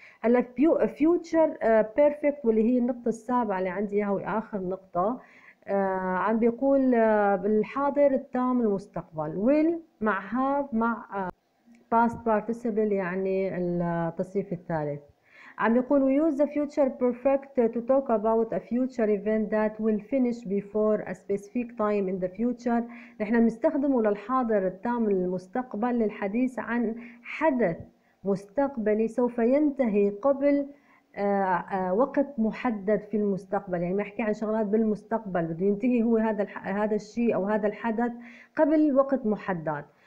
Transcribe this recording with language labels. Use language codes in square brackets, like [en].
[ar] هلا future perfect واللي هي النقطة السابعة اللي عندي اياها وآخر نقطة، عم بيقول بالحاضر التام المستقبل will مع have مع past participle يعني التصريف الثالث. عم بيقول [en] we use the future perfect to talk about a future event that will finish before a specific time in the future. [ar] نحن بنستخدمه للحاضر التام المستقبل للحديث عن حدث مستقبلي سوف ينتهي قبل وقت محدد في المستقبل. يعني ما احكي عن شغلات بالمستقبل بده ينتهي هو هذا الشيء او هذا الحدث قبل وقت محدد.